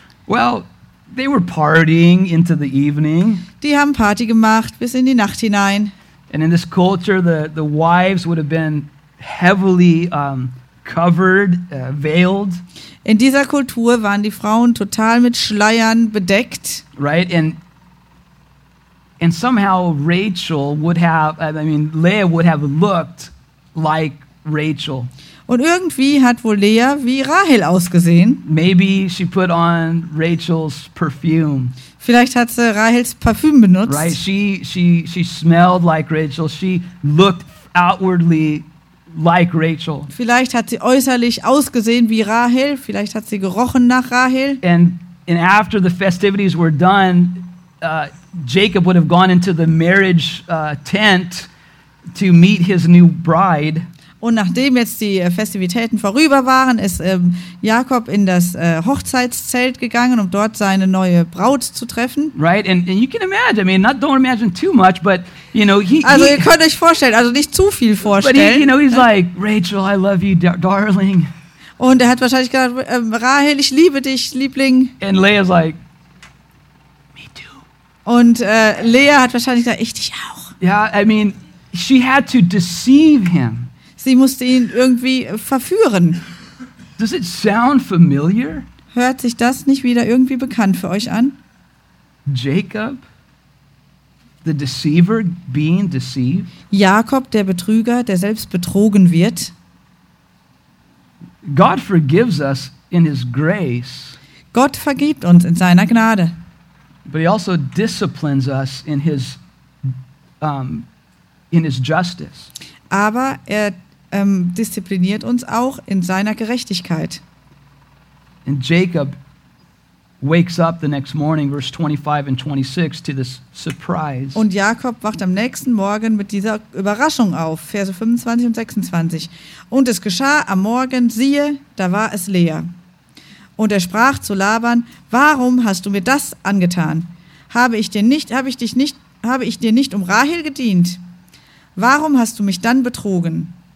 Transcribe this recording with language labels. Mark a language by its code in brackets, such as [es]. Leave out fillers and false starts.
[en] Well, they were partying into the evening. [de] Die haben Party gemacht bis in die Nacht hinein. [en] And in this culture, the wives would have been heavily covered, veiled. [de] In dieser Kultur waren die Frauen total mit Schleiern bedeckt. [en] Right, and somehow Rachel would have, I mean, Leah would have looked like Rachel. [de] Und irgendwie hat wohl Leah wie Rahel ausgesehen. [en] Maybe she put on Rachel's perfume. [de] Vielleicht hat sie Rahels Parfüm benutzt. [en] Right, she smelled like Rachel. She looked outwardly like Rachel. [de] Vielleicht hat sie äußerlich ausgesehen wie Rahel, vielleicht hat sie gerochen nach Rahel. [en] And after the festivities were done, Jacob would have gone into the marriage tent to meet his new bride. [de] Und nachdem jetzt die Festivitäten vorüber waren, ist Jakob in das Hochzeitszelt gegangen, um dort seine neue Braut zu treffen. [en] Right, and you can imagine, I mean, not don't imagine too much, but you know, [de] also ihr könnt euch vorstellen, also nicht zu viel vorstellen. [en] But he, you know, he's like, Rachel, I love you, darling. [de] Und er hat wahrscheinlich gesagt, Rahel, ich liebe dich, Liebling. [en] And Leah's like, me too. [de] Und Leah hat wahrscheinlich gesagt, ich dich auch. [en] Yeah, I mean, she had to deceive him. [de] Sie musste ihn irgendwie verführen. [en] Does it sound familiar? [de] Hört sich das nicht wieder irgendwie bekannt für euch an? [en] Jacob, the deceiver being deceived? [de] Jakob, der Betrüger, der selbst betrogen wird. [en] God forgives us in his grace. [de] Gott vergibt uns in seiner Gnade. [en] But he also disciplines us in his justice. [de] Aber er diszipliniert uns auch in seiner Gerechtigkeit. [en] And Jacob wakes up the next morning, verse 25 and 26, to this surprise. [de] Und Jakob wacht am nächsten Morgen mit dieser Überraschung auf, Verse 25 und 26. Und es geschah am Morgen, siehe, da war es Leah. Und er sprach zu Laban, warum hast du mir das angetan? Habe ich dir nicht um Rahel gedient? Warum hast du mich dann betrogen?